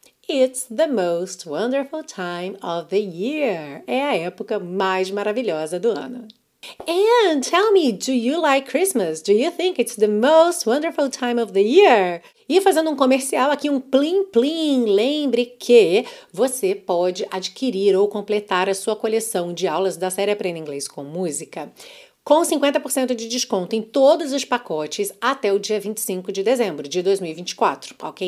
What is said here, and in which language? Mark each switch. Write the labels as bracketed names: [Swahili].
[English] It's the most wonderful time of the year. [Portuguese] É a época mais maravilhosa do ano. [English] And tell me, do you like Christmas? Do you think it's the most wonderful time of the year? [Portuguese] E fazendo um comercial aqui, um plim plim, lembre que você pode adquirir ou completar a sua coleção de aulas da série Aprenda Inglês com Música com 50% de desconto em todos os pacotes até o dia 25 de dezembro de 2024, ok?